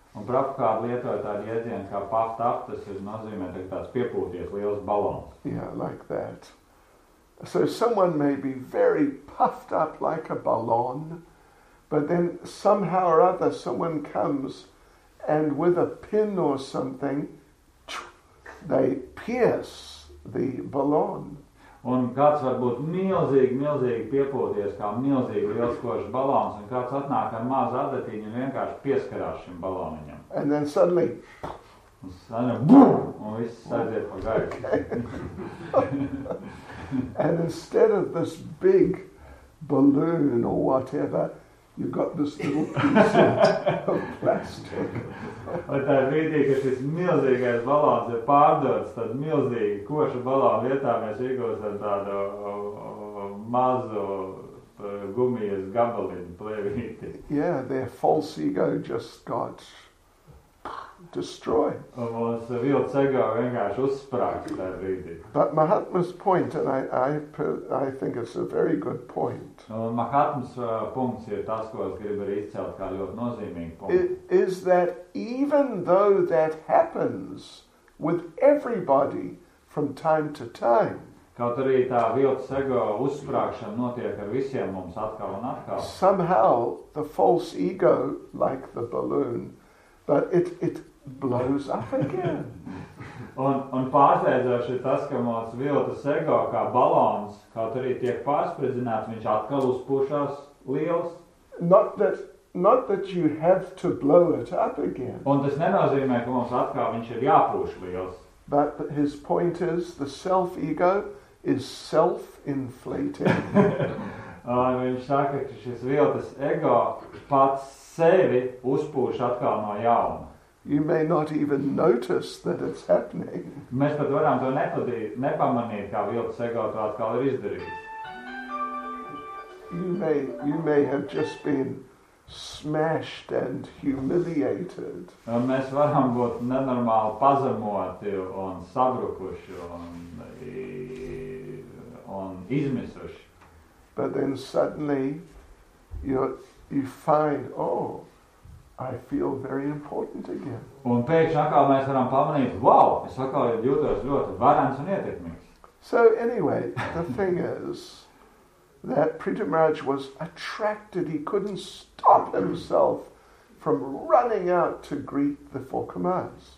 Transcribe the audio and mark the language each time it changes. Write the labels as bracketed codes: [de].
[lv] Un Prabhupāda lietoja tādu jēdzienu kā [en] puffed up, [lv] tas ir nozīmē tāds piepūties liels balons. [en] Yeah, like that. So someone may be very puffed up like a balloon, but then somehow or other someone comes and with a pin or something, they pierce the balloon. [lv] Un kāds var būt milzīgi, milzīgi piepūties kā milzīgi lielskošs balons, un kāds atnāk ar mazu adatiņu un vienkārši pieskarās šim baloniņam. [en] And then suddenly, [lv] un viss aiziet pa gaisu. [en] And instead of this big balloon or whatever, you've got this little piece of plastic. [lv] Lai tā ir vīdī, ka šis milzīgais balons ir pārdots, tad milzīgi koša balona vietā mēs iegūstam tādu mazu gumijas gabaliņu plēvīti. [en] Yeah, their false ego just got destroyed. [lv] Un mums viltus ego vienkārši uzsprāk tā brīdī. [en] But Mahatma's point, and I think it's a very good point. [lv] Un Mahatmas punkts ir tas, ko es gribu arī izcelt kā ļoti nozīmīgu punktu. [en] Is that even though that happens with everybody from time to time, [lv] kaut arī tā viltus ego uzsprākšana notiek ar visiem mums atkal un atkal, [en] somehow the false ego, like the balloon, but it blows up again. [lv] un pārsteidzoši ir tas, ka mūsu viltus ego kā balons, kaut arī tiek pārspridzināts, viņš atkal uzpūšās liels. [en] Not that you have to blow it up again. [lv] Un tas nenozīmē, ka mums atkal viņš ir jāpūš liels. [en] But his point is, the self-ego is self-inflating. [lv] Viņš saka, ka šis viltus ego pats sevi uzpūš atkal no jauna. [en] You may not even notice that it's happening. [lv] Mēs pat varam to nepamanīt, kā viltus ego to atkal ir izdarījis. [en] You may have just been smashed and humiliated. [lv] Un mēs varam būt nenormāli pazemoti un sabrukuši un izmisuši. [en] But then suddenly you find, oh, I feel very important again. [lv] Un pēkšņi atkal mēs varam pamanīt, wow, es atkal jūtos ļoti varens un ietekmīgs. [en] So anyway, the thing is that Prithu Maharaj was attracted, he couldn't stop himself from running out to greet the four commands.